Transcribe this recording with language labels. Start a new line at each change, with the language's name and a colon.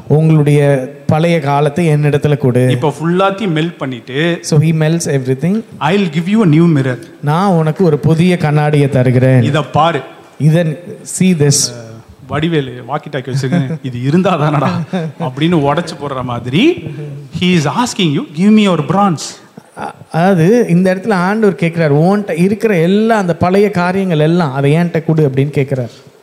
Tamil: உங்களுடைய பழைய காலத்தை என்னிடத்துல கொடு. இப்போ ஃபுல்லாத்தையும் மெல்ட் பண்ணிட்டு.
English: So he melts everything. I'll give you a new mirror.
Tamil: நான் உனக்கு ஒரு புதிய கண்ணாடியை தருகிறேன். இத பாரு.
English: இதன் see this.
Tamil: Vadivelu walkie talkie வச்சுங்க, இது இருந்தா தானடா அப்படின்னு உடச்சு போடுற மாதிரி.
English: He is asking you, give me your bronze.
Tamil: அதாவது இந்த இடத்துல ஆண்டவர் கேட்கிறார், ஓன்ட்ட இருக்கிற எல்லா அந்த பழைய காரியங்கள் எல்லாம் அதை ஏன்ட்ட கொடு அப்படின்னு கேட்கிறார்.